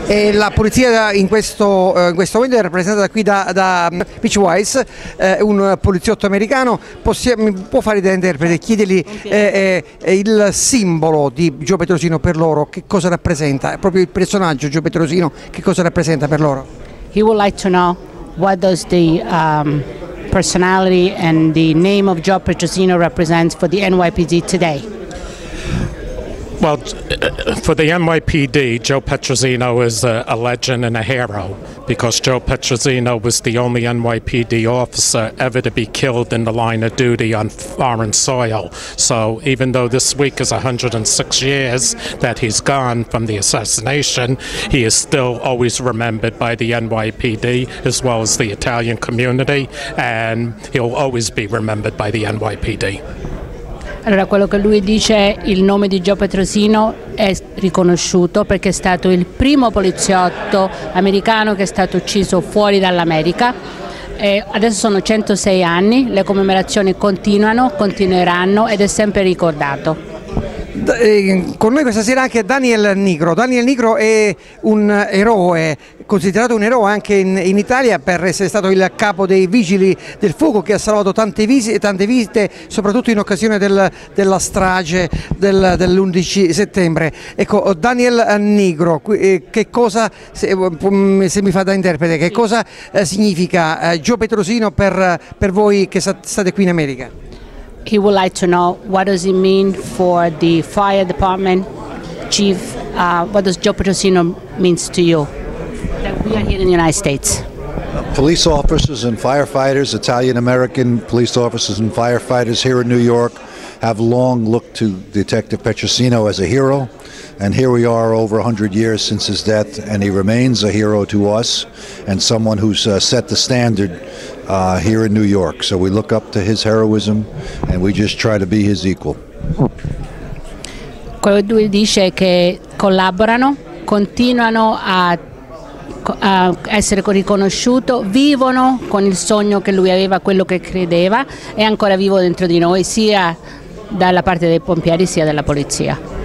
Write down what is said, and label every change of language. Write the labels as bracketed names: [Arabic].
[Italian] E la polizia in questo momento è rappresentata qui da Mitch Weiss, un poliziotto americano. Mi può fare da interprete, chiedergli il simbolo di Joe Petrosino per loro, che cosa rappresenta, proprio il personaggio Joe Petrosino, che cosa rappresenta per loro? [English] He would like to know what does the personality and the name of Joe Petrosino represents for the NYPD today. Well, for the NYPD, Joe Petrosino is a legend and a hero, because Joe Petrosino was the only NYPD officer ever to be killed in the line of duty on foreign soil. So even though this week is 106 years that he's gone from the assassination, he is still always remembered by the NYPD as well as the Italian community, and he'll always be remembered by the NYPD. [Italian] Allora, quello che lui dice, il nome di Joe Petrosino è riconosciuto perché è stato il primo poliziotto americano che è stato ucciso fuori dall'America. E adesso sono 106 anni, le commemorazioni continueranno ed è sempre ricordato. Con noi questa sera anche Daniel Nigro. Daniel Nigro è un eroe, considerato un eroe anche in Italia per essere stato il capo dei vigili del fuoco, che ha salvato tante vite, soprattutto in occasione della strage dell'11 settembre. Ecco, Daniel Nigro, che cosa, se mi fa da interprete, che cosa significa Joe Petrosino per voi che state qui in America? [English] He would like to know what does it mean for the fire department chief, what does Joe Petrosino means to you, that we are here in the United States? Police officers and firefighters, Italian-American police officers and firefighters here in New York have long looked to Detective Petrosino as a hero, and here we are over 100 years since his death, and he remains a hero to us and someone who's set the standard here in New York. So we look up to his heroism and we just try to be his equal. [Italian] Quello che dice è che collaborano, continuano a essere riconosciuto, vivono con il sogno che lui aveva, quello che credeva, è ancora vivo dentro di noi, sia dalla parte dei pompieri sia della polizia.